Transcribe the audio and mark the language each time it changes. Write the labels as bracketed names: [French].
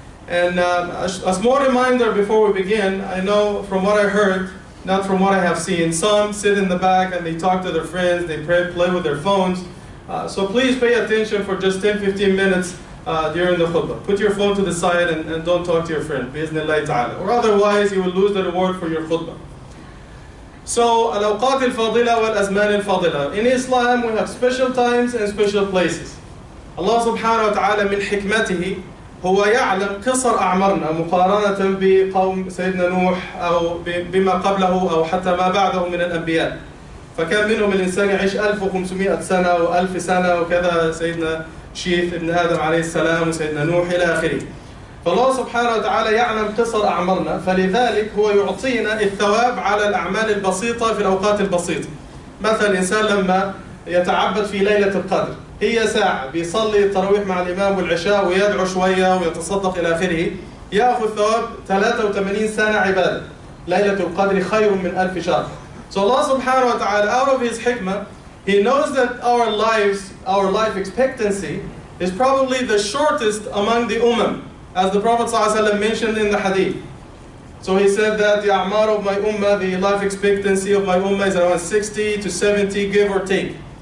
[English] And a small reminder before we begin, I know from what I heard, not from what I have seen, some sit in the back and they talk to their friends, they play with their phones. So please pay attention for just 10-15 minutes during the khutbah. Put your phone to the side and don't talk to your friend, bi-iznillahi ta'ala. Or otherwise, you will lose the reward for your khutbah. [Arabic] So, الأوقات الفاضلة والأزمان الفاضلة. [English] In Islam, we have special times and special places. [Arabic] Allah subhanahu wa ta'ala من حكمته هو يعلم قصر أعمارنا مقارنة بقوم سيدنا نوح أو بما قبله أو حتى ما بعده من الأنبياء. فكان منهم الإنسان يعيش 1500 سنة و 1000 سنة وكذا سيدنا شيث ابن آدم عليه السلام وسيدنا نوح إلى آخره. فالله سبحانه وتعالى يعلم قصر أعمالنا، فلذلك هو يعطينا الثواب على الأعمال البسيطة في الأوقات البسيطة. مثلا إنسان لما يتعبد في ليلة القدر، هي ساعة بيصلي التراويح مع الإمام والعشاء ويدعو شوية ويتصدق إلى آخره، يأخذ ثواب 83 سنة عبادة. ليلة القدر خير من 1000 شهر. [English] So الله سبحانه وتعالى out of his حكمة he knows that our lives our life expectancy is probably the shortest among the أمم. As the Prophet ﷺ mentioned in the hadith. So he said that the a'mar of my ummah, the life expectancy of my ummah is around 60 to 70, give or take.